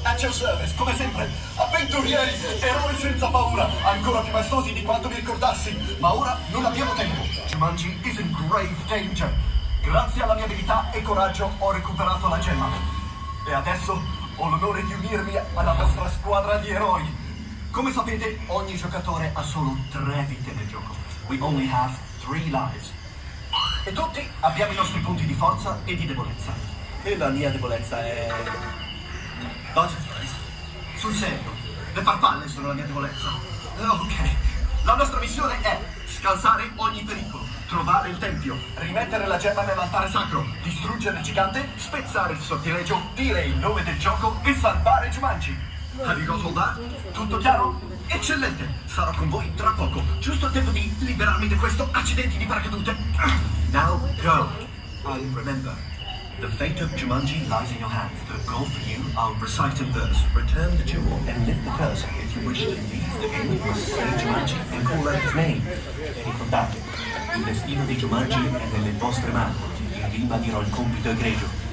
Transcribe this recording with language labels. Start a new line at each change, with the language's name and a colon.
Italian: service, come sempre, avventurieri, eroi senza paura, ancora più maestosi di quanto mi ricordassi. Ma ora non abbiamo tempo.
English: Jumanji is in grave danger.
Italian: Grazie alla mia abilità e coraggio ho recuperato la gemma. E adesso ho l'onore di unirmi alla vostra squadra di eroi. Come sapete, ogni giocatore ha solo 3 vite nel gioco.
English: We only have 3 lives.
Italian: E tutti abbiamo i nostri punti di forza e di debolezza. E la mia debolezza è...
English: Butterflies?
Italian: Sul serio, le farfalle sono la mia debolezza. Ok, la nostra missione è scansare ogni pericolo, trovare il tempio, rimettere la gemma nell'altare sacro, distruggere il gigante, spezzare il sortilegio, dire il nome del gioco e salvare Jumanji.
English: Have you got all that?
Italian: Tutto chiaro? Eccellente! Sarò con voi tra poco, giusto a tempo di liberarmi da questo accidente di paracadute.
English: Now go! And remember, the fate of Jumanji lies in your hands. The goal for you, I'll recite a verse. Return the jewel and lift the curse. If you wish to leave the game, you must say Jumanji and call out his name.
Italian: E ricordate, il destino di Jumanji è nelle vostre mani. Io ribadirò il compito egregio.